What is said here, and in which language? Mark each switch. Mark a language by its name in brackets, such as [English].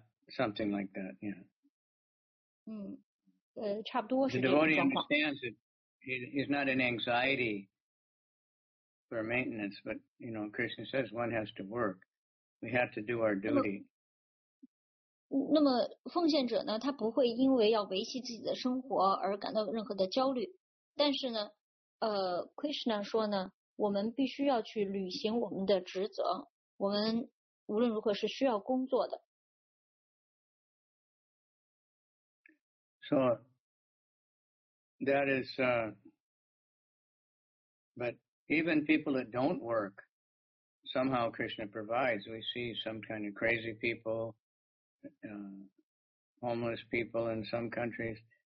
[English] Something like that, yeah. [Chinese] Mm. 差不多是这种状况。 [English] The devotee understands that he's not in anxiety for maintenance, but, you know, Krishna says one has to work. We have to do our duty. [Chinese] 那么奉献者呢, 他不会因为要维系自己的生活而感到任何的焦虑, 但是呢, Krishna说呢, 我们必须要去履行我们的职责, 我们无论如何是需要工作的。 [English] So that is, but even people that don't work, somehow Krishna provides. We see some kind of crazy people, homeless people in some countries.